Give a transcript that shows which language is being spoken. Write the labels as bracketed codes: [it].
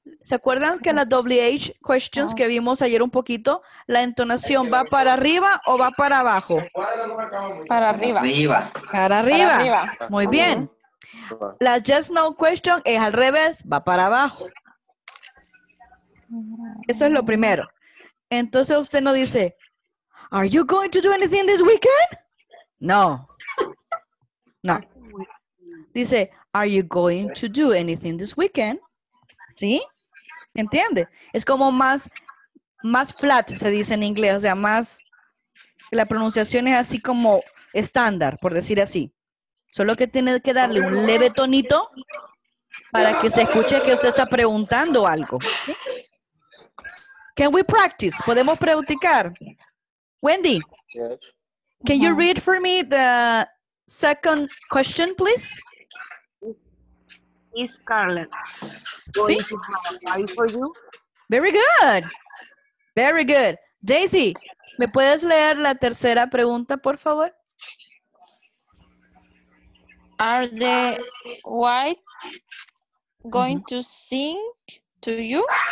[es] ¿Se acuerdan que en las WH questions que vimos ayer un poquito, la entonación va para arriba o va para abajo? Para arriba. Para arriba. Muy bien. La yes no question es al revés, va para abajo. Eso es lo primero. Entonces usted no dice, [en] are you going to do anything this weekend? [es] No. Dice, [en] are you going to do anything this weekend? [es] ¿Sí? ¿Entiende? Es como más flat, se dice en inglés. O sea, más, la pronunciación es así como estándar, por decir así. Solo que tiene que darle un leve tonito para que se escuche que usted está preguntando algo. [en] Can we practice? [es] ¿Podemos practicar? [en] Wendy, can you read for me the second question, please? Is Scarlett going to have a party for you? Very good. Very good. [es] Daisy, ¿me puedes leer la tercera pregunta, por favor? [en] Are the white going to sing to you?